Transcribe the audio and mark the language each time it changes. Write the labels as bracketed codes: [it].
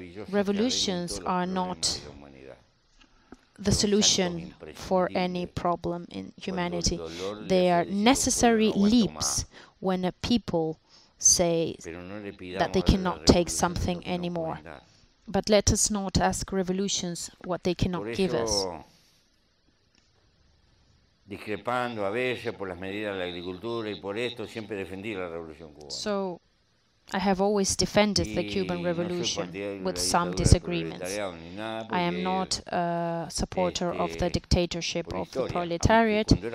[en] Revolutions are not the solution for any problem in humanity. They are necessary leaps when a people say that they cannot take something anymore. But let us not ask revolutions what they cannot give us. [es] Discrepando a veces por las medidas de la agricultura y por esto, siempre defendí la revolución cubana. [en] So I have always defended the Cuban Revolution with some disagreements. I am not a supporter of the dictatorship of the proletariat.